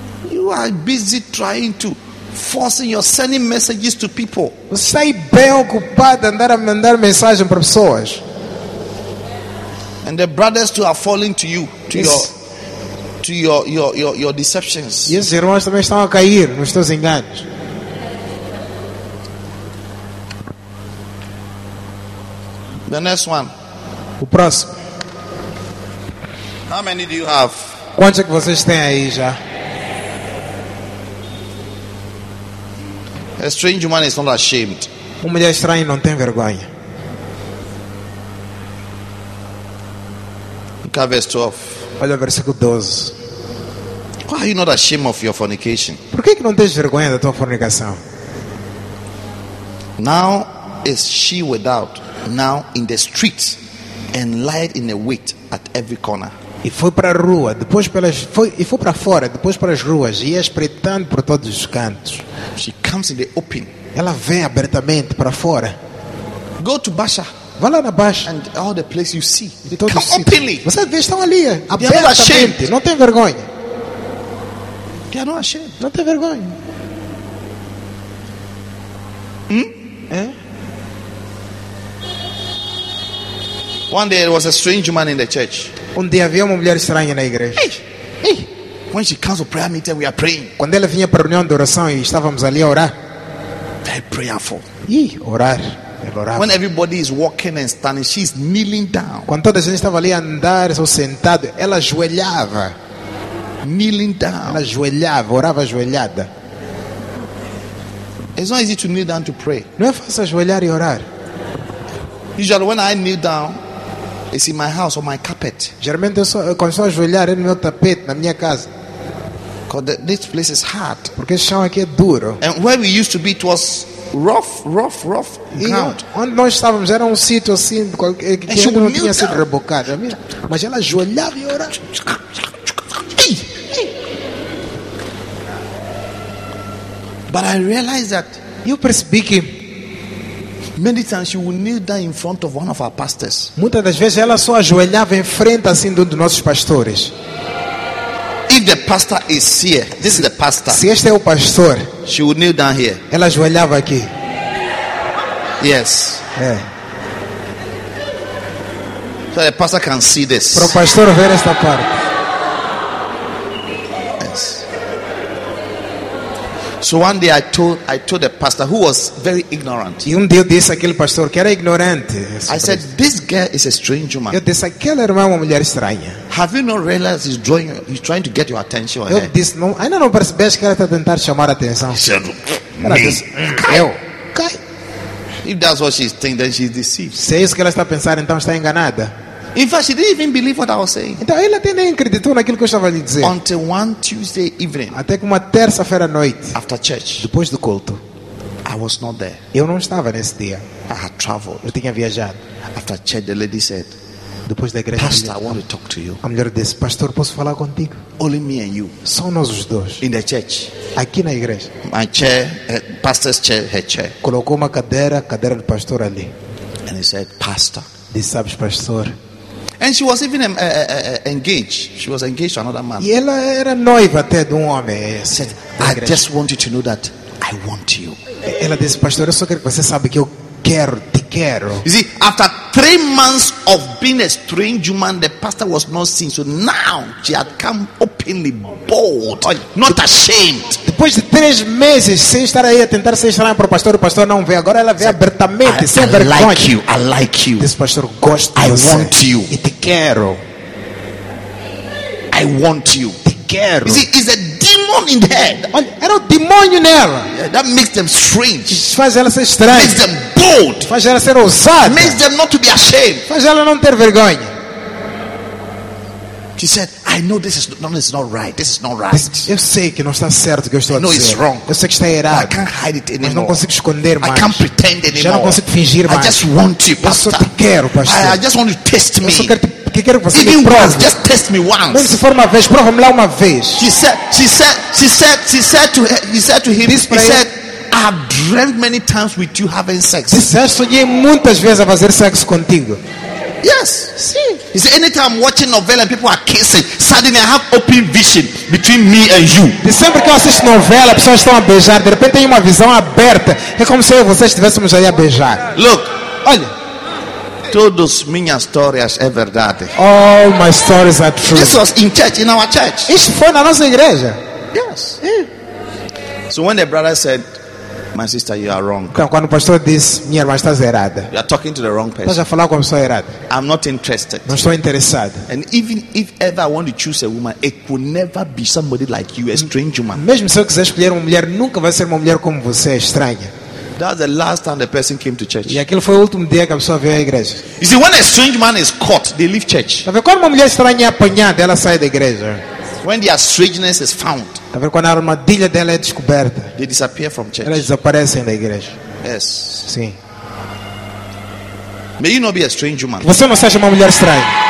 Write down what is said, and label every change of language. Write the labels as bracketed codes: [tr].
[en] You are busy trying to forcing your sending messages to people. [pt] Você está bem ocupado em andar a mandar mensagem para pessoas. [en] And the brothers too are falling to you, to your deceptions. [pt] E os irmãos também estão a cair nos teus enganos. [en] The next one. [pt] O próximo. [en] How many do you have? [pt] Quantos é que vocês têm aí já? [en] A strange man is not ashamed. [pt] Uma mulher estranha não tem vergonha. [en] Look at verse 12. [pt] Olha o versículo 12. [en] Why are you not ashamed of your fornication? [pt] Por que não tens vergonha da tua fornicação? [en] Now is she without, now in the streets, and lied in the wait at every corner. [pt] E foi para a rua, depois pelas foi para fora, depois para as ruas, e ia espreitando por todos os cantos. [en] She comes in the open. [pt] Ela vem abertamente para fora. [en] Go to Baixa. [pt] Vá lá na Baixa. [en] And all the place you see. [pt] De todos [en] come openly. [pt] Você vê, estão ali, abertamente. Não tem vergonha. [en] They are not ashamed. [pt] Não tem vergonha. [en] One day there was a strange man in the church. [pt] Um dia havia uma mulher estranha na igreja. [en] When she comes to prayer meeting, we are praying. [pt] Quando ela vinha para a reunião de oração e estávamos ali a orar. [en] Very prayerful. [pt] Orar. [en] When everybody is walking and standing, she is kneeling down. [pt] Quando toda a gente estava ali a andar ou sentado, ela ajoelhava. [en] Kneeling down. [pt] Ela ajoelhava, orava ajoelhada. [en] It's not easy to kneel down to pray. [pt] Não é fácil ajoelhar e orar. [en] Usually when I kneel down, it's in my house on my carpet. [pt] Geralmente eu começo a ajoelhar no meu tapete na minha casa. [en] Because this place is hard. [pt] Porque esse chão aqui é duro. [en] And where we used to be, it was rough ground. [pt] Onde nós estávamos era sítio assim que não tinha sido rebocado. Mas ela ajoelhava e orava. [en] But I realized that [pt] you percebi que [en] many times she would kneel down in front of one of our pastors. [pt] Muitas das vezes ela só ajoelhava em frente assim de um dos nossos pastores. [en] If the pastor is here, this is the pastor. [pt] Se este é o pastor, [en] she would kneel down here. [pt] Ela ajoelhava aqui. [en] Yes. [pt] É. [en] So the pastor can see this. [pt] Para o pastor ver esta parte. [en] Yes. So one day I told the pastor who was very ignorant. [pt] E dia eu disse àquele pastor que era ignorante. [en] I said this girl is a strange woman. [pt] Eu disse aquela irmã é uma mulher estranha. [en] Have you not realized he's trying to get your attention? [pt] Eu disse não, ainda não percebeste que ela está tentando chamar a atenção. Cai. [en] If that's what she's thinking, then she's deceived. [pt] Se é isso que ela está pensando, então está enganada. [en] In fact, she didn't even believe what I was saying. [pt] Então ela até nem acreditou naquilo que eu estava a lhe dizer. [en] Until one Tuesday evening, [pt] até que uma terça-feira à noite, [en] after church, [pt] depois do culto, [en] I was not there. [pt] Eu não estava nesse dia. [en] I had traveled. [pt] Eu tinha viajado. [en] After church, the lady said, [pt] depois da igreja, [en] pastor, I want to talk to you. [pt] A mulher disse, pastor, posso falar contigo? [en] Only me and you. [pt] Só nós os dois. [en] In the church. [pt] Aqui na igreja. [en] My chair, pastor's chair, her chair. [pt] Colocou uma cadeira, cadeira do pastor ali. [en] And he said, pastor. [pt] Disse, sabes, pastor. [en] And she was even engaged. She was engaged to another man. [pt] E ela era noiva até de homem. [en] Said, I just want you to know that I want you. [pt] Ela disse, pastor, eu só quero que você saiba que eu quero, te quero. [en] You see, after 3 months of being a strange woman, the pastor was not seen. So now she had come openly, bold, not ashamed. [pt] Depois de 3 meses sem estar aí a tentar ser estranha para o pastor não vê. Agora ela vê abertamente, [en] I, [pt] sem vergonha. [en] I like you. [pt] Desse pastor, gosto de você. [en] I want you. [pt] E te quero. [en] I want you. [pt] Te quero. [en] You see, it's a demon in there. [pt] Olha, era o demônio nela. [en] Yeah, that makes them strange. [pt] Faz ela ser estranha. [en] Makes them bold. [pt] Faz ela ser ousada. [en] Makes them not to be ashamed. [pt] Faz ela não ter vergonha. [en] She said, I know this is not right. This is not right. [pt] Eu sei que não está certo o que eu estou a dizer. [en] It's wrong. [pt] Eu sei que está errado. [en] I can't hide it anymore. [pt] Mas não consigo esconder mais. [en] I can't pretend anymore. [pt] Já não consigo fingir mais. [en] I just want you, pastor. [pt] Eu só te quero, pastor. [en] I just want you to test me. [pt] Eu só quero te [en] just test me once. [pt] Se for uma vez, prova-me lá uma vez. [en] He said to him, I have dreamt many times with you having sex. [pt] Sonhei muitas vezes a fazer sexo contigo. [en] Yes. [pt] Sim. [en] He said, anytime I'm watching novela and people are kissing, suddenly I have open vision between me and you. [pt] E sempre que eu assisto novela, pessoas estão a beijar, de repente tem uma visão aberta. É como se eu e vocês estivéssemos aí a beijar. [en] Look. [pt] Olha. Todas minhas histórias é verdade. [en] All my stories are true. This was in church, in our church. [pt] Isso foi na nossa igreja. [en] Yes. So when the brother said, my sister, you are wrong. [pt] Então, quando o pastor disse, minha irmã está errada. [en] You are talking to the wrong person. [pt] Estás a falar com a pessoa errada. [en] I'm not interested. [pt] Não estou interessado. [en] And even if ever I want to choose a woman, it could never be somebody like you, a strange woman. [pt] Mesmo se eu quiser escolher uma mulher, nunca vai ser uma mulher como você, estranha. [en] That was the last time the person came to church. [pt] E aquele foi o último dia que a pessoa veio à igreja. [en] You see, when a strange man is caught, they leave church. [pt] Tá vendo quando uma mulher estranha é apanhada, ela sai da igreja. [en] When their strangeness is found, [pt] tá vendo quando a armadilha dela é descoberta, [en] they disappear from church. [pt] Elas desaparecem da igreja. [en] Yes. [pt] Sim. [en] May you not be a strange woman. [pt] Você não seja uma mulher estranha.